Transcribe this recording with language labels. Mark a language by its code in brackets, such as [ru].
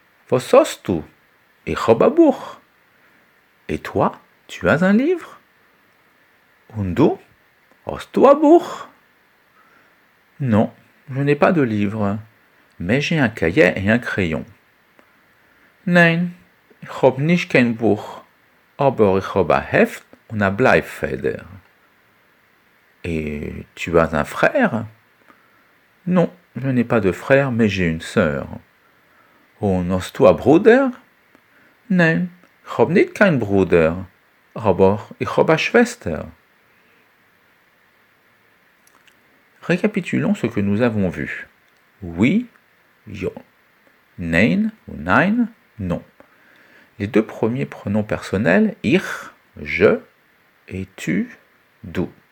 [de] Was hast du ? Ich hab a Buch. [fr] Et toi, tu as un livre? [de] Und du? Hast du a Buch? [fr] Non, je n'ai pas de livre, mais j'ai un cahier et un crayon. [de] Nein, ich hab nicht kein Buch, aber ich hab a Heft und a Bleifeder. [fr] Et tu as un frère? Non, je n'ai pas de frère, mais j'ai une sœur. [de] Und hast du a Bruder? Nein. Ich hab nicht kein Bruder, aber ich hab a Schwester. [fr] Récapitulons ce que nous avons vu. Oui, jo. Nein ou nein, non. Les deux premiers pronoms personnels, ich, je, et tu, du.